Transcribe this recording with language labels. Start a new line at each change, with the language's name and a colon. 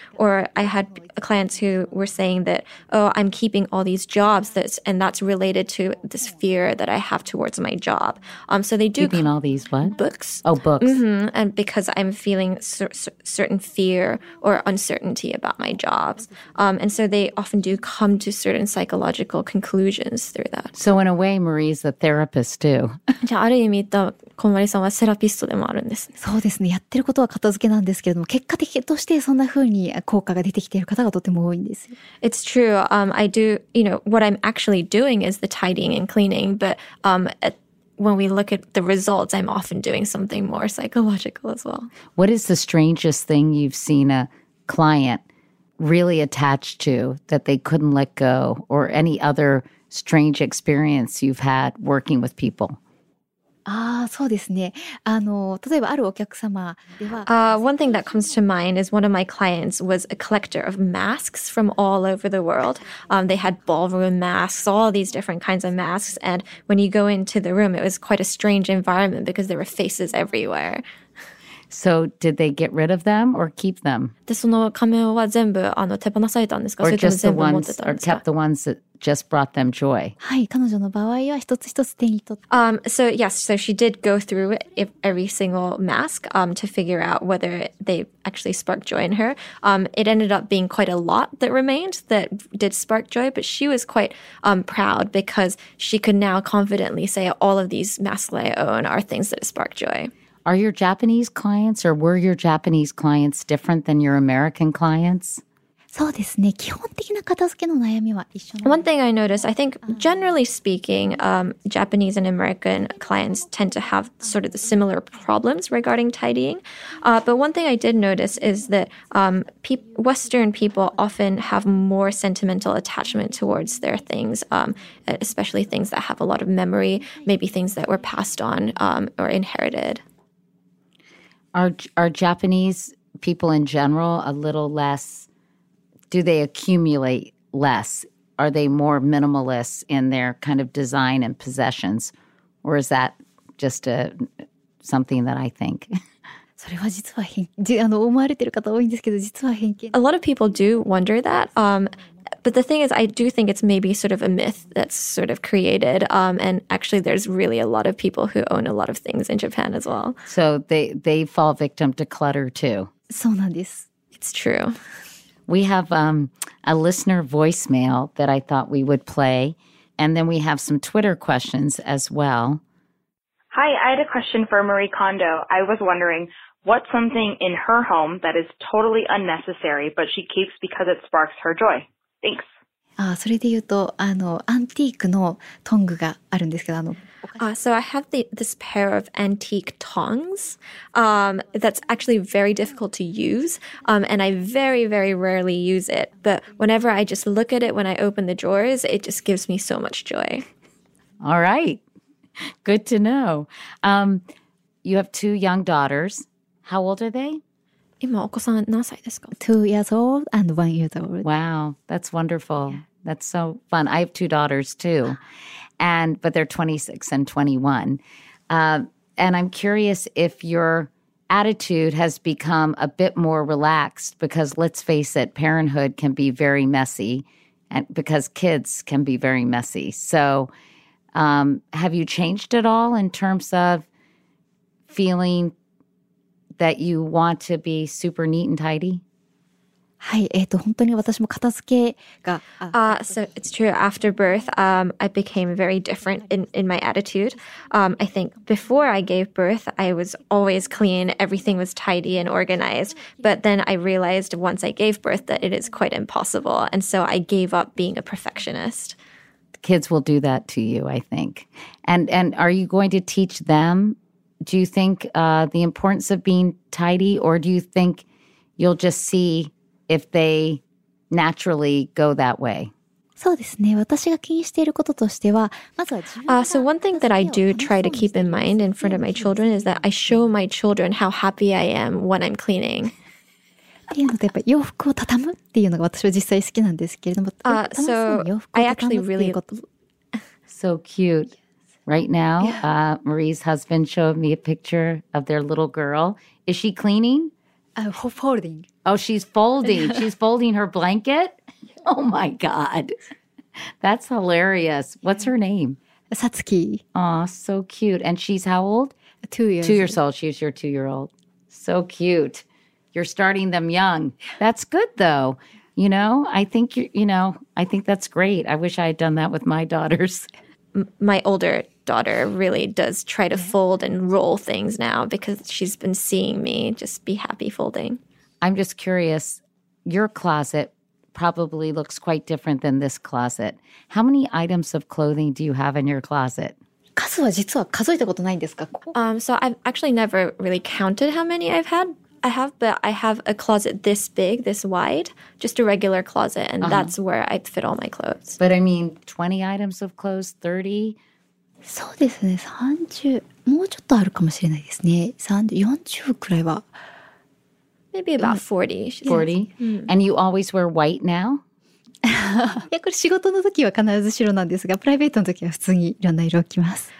English: Or I had clients who were saying that, oh, I'm keeping all these jobs and that's related to this fear that I have towards my job. So they do keeping all these what? Books. Oh, books. Mm-hmm. And because I'm feeling certain fear or uncertainty about my jobs. And so they often do come to certain psychological conclusions through that. So in a way, Marie's a therapist too.
Japanese: じゃあある意味とコンマリさんはセラピストでもあるんですね。そうですね。やってることは片付けなんですけれども、結果的としてそんな風に効果が出てきている方がとても多いんです。
English: It's true. I do, you know, what I'm actually doing is the tidying and cleaning, but when we look at the results, I'm often doing something more psychological as well. What is the strangest thing you've seen a client really attached to that they couldn't let go, or any other strange experience you've had working with people?
Japanese: Ah, そうですね。例えばあるお客様では、
English: One thing that comes to mind is one of my clients was a collector of masks from all over the world. They had ballroom masks, all these different kinds of masks. And when you go into the room, it was quite a strange environment because there were faces everywhere. So did they get rid of them or keep them?
Japanese: で、その仮面は全部手放されたんですか？
English: Or just the ones, or kept the ones that... just brought them joy.
Japanese: はい、彼女の場合は一つ一つ手に取って。
English: So yes, so she did go through every single mask to figure out whether they actually sparked joy in her. It ended up being quite a lot that remained that did spark joy, but she was quite proud because she could now confidently say all of these masks I own are things that spark joy. Are your Japanese clients or were your Japanese clients different than your American clients?
Japanese: そうですね。基本的な片付けの悩みは一緒なの。
English: One thing I noticed, I think generally speaking, Japanese and American clients tend to have sort of the similar problems regarding tidying. But one thing I did notice is that Western people often have more sentimental attachment towards their things, especially things that have a lot of memory, maybe things that were passed on or inherited. Are Japanese people in general a little less... Do they accumulate less? Are they more minimalist in their kind of design and possessions? Or is that just something that I think?
Japanese: それは実は思われてる方多いんですけど、実は偏見。
English: A lot of people do wonder that. But the thing is, I do think it's maybe sort of a myth that's sort of created. And actually, there's really a lot of people who own a lot of things in Japan as well. So they fall victim to clutter too.
Japanese: そうなんです。
English: It's true. We have a listener voicemail that I thought we would play. And then we have some Twitter questions as well. Hi, I had a question for Marie Kondo. I was wondering, what's something in her home that is totally unnecessary, but she keeps because it sparks her joy? Thanks.
Japanese: それで言うと、アンティークのトングがあるんですけど、
English: So I have this pair of antique tongs that's actually very difficult to use and I very, very rarely use it. But whenever I just look at it when I open the drawers, it just gives me so much joy. All right. Good to know. You have two young daughters. How old are they?
Japanese: 今お子さん何歳ですか?
English: 2 years old and 1 year old. Wow, that's wonderful. Yeah. That's so fun. I have two daughters too. But they're 26 and 21. And I'm curious if your attitude has become a bit more relaxed because let's face it, parenthood can be very messy and because kids can be very messy. So have you changed at all in terms of feeling that you want to be super neat and tidy?
Japanese: はい、本当に私も片付けが…
English: So it's true, after birth, I became very different in my attitude. I think before I gave birth, I was always clean, everything was tidy and organized. But then I realized once I gave birth that it is quite impossible. And so I gave up being a perfectionist. Kids will do that to you, I think. And are you going to teach them, do you think, the importance of being tidy? Or do you think you'll just see if they naturally go that way.
Japanese: そうですね。私が気にしていることとしては、まずは自分が。
English: So one thing that I do try to keep in mind in front of my children is that I show my children how happy I am when I'm cleaning.
Japanese: っていうのとやっぱ洋服を畳むっていうのが私は実際好きなんですけれども、楽しそうに洋服を畳むっていうこと。
English: I actually really so cute. Right now, Marie's husband showed me a picture of their little girl. Is she cleaning? Folding. Oh, she's folding. She's folding her blanket? Oh my God. That's hilarious. What's her name? Satsuki. Aw, so cute. And she's how old? 2 years. 2 years old. She's your 2-year-old. So cute. You're starting them young. That's good though. You know, I think that's great. I wish I had done that with my daughters. My older daughter really does try to fold and roll things now because she's been seeing me just be happy folding. I'm just curious, your closet probably looks quite different than this closet. How many items of clothing do you have in your closet?
Japanese: 数は実は数えたことないんですか?
English: So I've actually never really counted how many I've had. I have, but I have a closet this big, this wide, just a regular closet, and that's where I fit all my clothes. But I mean, 20 items of clothes, 30?
Japanese: そうですね、30、もうちょっとあるかもしれないですね。 30、40くらいは。
English: Maybe about 40. 40? Yeah. And you always wear white now?
Japanese: いや、これ仕事の時は必ず白なんですが、プライベートの時は普通にいろんな色を着ます。